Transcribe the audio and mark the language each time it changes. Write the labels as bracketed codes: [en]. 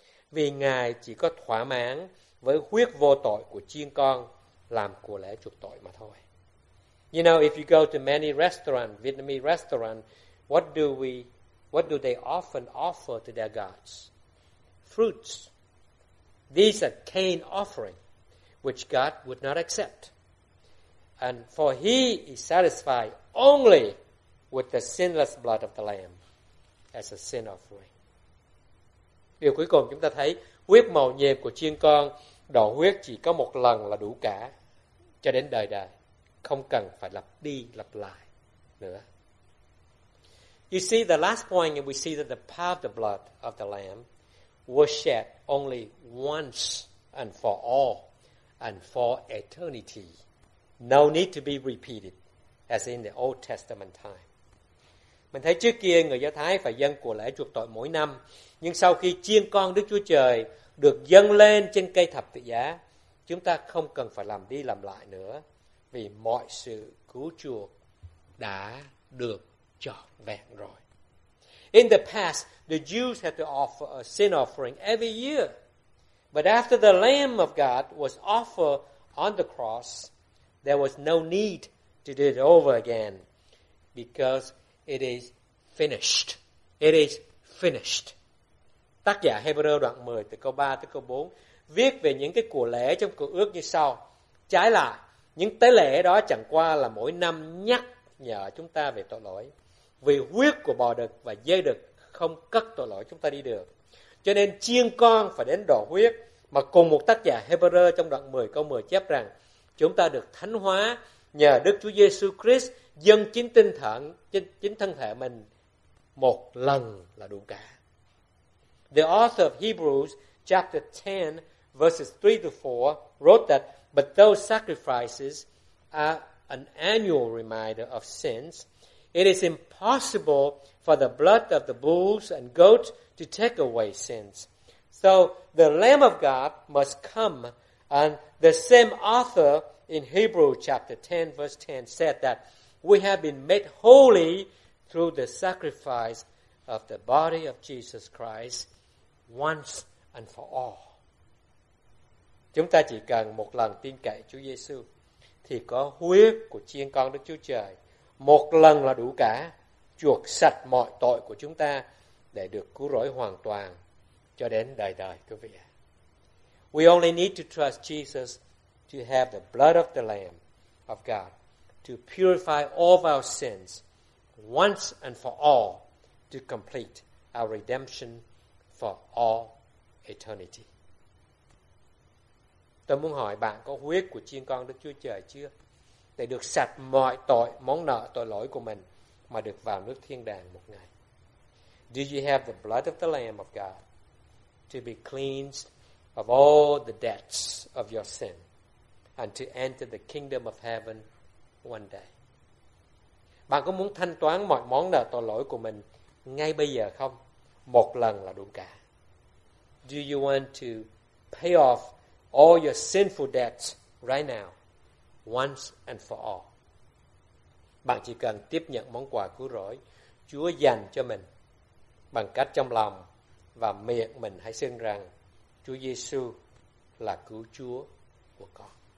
[vi] Vì Ngài chỉ có thỏa mãn với huyết vô tội của chiên con làm của lễ chuộc tội mà thôi. [en] You know, if you go to many restaurants, Vietnamese restaurants, what do they often offer to their gods? Fruits. These are Cain offering, which God would not accept. And for he is satisfied only with the sinless blood of the lamb as a sin offering. [vi] Điều cuối cùng chúng ta thấy, huyết màu nhiệm của chiên con, đỏ huyết chỉ có một lần là đủ cả, cho đến đời đời, không cần phải lặp đi lặp lại nữa. [en] You see, the last point, we see that the power of the blood of the lamb was shed only once and for all and for eternity. No need to be repeated as in the Old Testament time. [vi] Mình thấy trước kia người Do Thái phải dâng của lễ chuộc tội mỗi năm, nhưng sau khi chiên con Đức Chúa Trời được dâng lên trên cây thập tự giá, chúng ta không cần phải làm đi làm lại nữa vì mọi sự cứu chuộc đã được trọn vẹn rồi. [en] In the past, the Jews had to offer a sin offering every year. But after the Lamb of God was offered on the cross, there was no need to do it over again because it is finished. It is finished. [vi] Tác giả Hebrew đoạn 10 từ câu 3 tới câu 4 viết về những cái của lễ trong cựu ước như sau. Trái lại, những tế lễ đó chẳng qua là mỗi năm nhắc nhở chúng ta về tội lỗi. Vì huyết của bò đực và dê đực không cất tội lỗi chúng ta đi được. Cho nên chiên con phải đến đỏ huyết. Mà cùng một tác giả Hebrew trong đoạn 10 câu 10 chép rằng chúng ta được thánh hóa nhờ Đức Chúa Giê-xu Christ dâng chính tinh thần, chính thân thể mình một lần là đủ cả. [en] The author of Hebrews chapter 10 verses 3 to 4 wrote that but those sacrifices are an annual reminder of sins. It is impossible for the blood of the bulls and goats to take away sins. So the Lamb of God must come. And the same author in Hebrews chapter 10 verse 10 said that we have been made holy through the sacrifice of the body of Jesus Christ once and for all. [vi] Chúng ta chỉ cần một lần tin cậy Chúa Giê-xu thì có huyết của chiên con Đức Chúa Trời một lần là đủ cả, chuộc sạch mọi tội của chúng ta để được cứu rỗi hoàn toàn cho đến đời đời, quý vị. [en] We only need to trust Jesus to have the blood of the Lamb of God to purify all of our sins once and for all to complete our redemption for all eternity. [vi] Tôi muốn hỏi bạn có huyết của chiên con Đức Chúa Trời chưa? Để được sạch mọi tội, món nợ, tội lỗi của mình mà được vào nước thiên đàng một ngày. [en] Do you have the blood of the Lamb of God to be cleansed of all the debts of your sin and to enter the kingdom of heaven one day? [vi] Bạn có muốn thanh toán mọi món nợ tội lỗi của mình ngay bây giờ không? Một lần là đủ cả. [en] Do you want to pay off all your sinful debts right now, once and for all? [vi] Bạn chỉ cần tiếp nhận món quà cứu rỗi Chúa dành cho mình bằng cách trong lòng và miệng mình hãy xưng rằng Chúa Giêsu là cứu Chúa của con.